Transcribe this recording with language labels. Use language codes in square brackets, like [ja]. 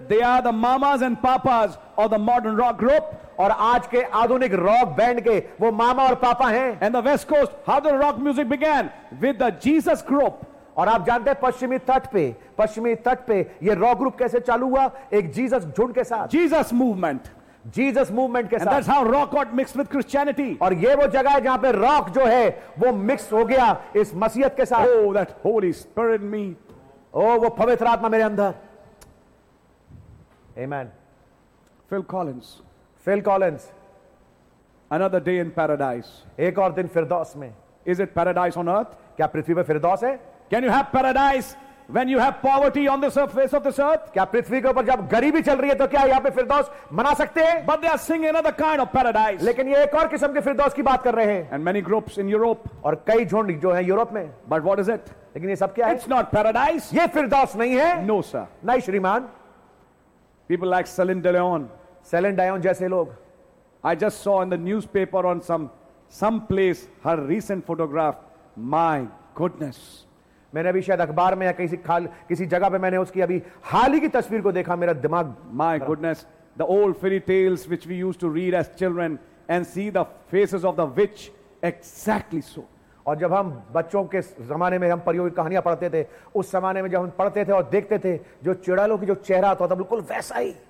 [en] They are the mamas and papas of the modern rock group. [hi] और आज के आधुनिक रॉक बैंड के वो मामा और पापा हैं. [en] And the West Coast, how the rock music began with the Jesus group. [hi] और आप जानते हैं पश्चिमी तट पे ये रॉक ग्रुप कैसे चालू हुआ? एक जीसस झुंड के साथ. [en] Jesus movement. [hi] जीसस मूवमेंट के [en] And [hi] साथ [en] that's how rock got mixed with Christianity. [hi] और ये वो जगह है जहां पे रॉक जो है वो मिक्स हो गया इस मसीहत के साथ [en] Oh, that Holy Spirit in me. Oh, [hi] वो पवित्र आत्मा मेरे अंदर Amen. [en] Phil Collins. Another day in paradise. [hi] एक और दिन फिरदौस में [en] Is it paradise on earth? [hi] क्या पृथ्वी पे फिरदौस है [en] Can you have paradise? When you have poverty on the surface of this earth, [hi] क्या पृथ्वी के ऊपर जब गरीबी चल रही है तो क्या यहाँ पे फिरदौस मना सकते हैं? [en] But they are singing another kind of paradise. [hi] लेकिन ये एक और किस्म के फिरदौस की बात कर रहे हैं. [en] And many groups in Europe. [hi] और कई झुंड जो हैं यूरोप में. [en] But what is it? [hi] लेकिन ये सब क्या है? [en] It's not paradise. [hi] ये फिरदौस नहीं है. [en] No sir. [hi] नहीं श्रीमान. [en] People like Celine Dion. [hi] Celine Dion जैसे लोग. [en] I just saw in the newspaper on some place her recent photograph. My goodness. [hi] मैंने अभी शायद अखबार में या किसी जगह पे मैंने उसकी अभी हाल ही की तस्वीर को देखा मेरा दिमाग [en] my goodness the old fairy tales which we used to read as children and see the faces of the witch exactly so [hi] और जब हम बच्चों के जमाने में हम परियों की कहानियां पढ़ते थे उस जमाने में जब हम पढ़ते थे और देखते थे जो चिड़ालों की जो चेहरा आता था बिल्कुल वैसा ही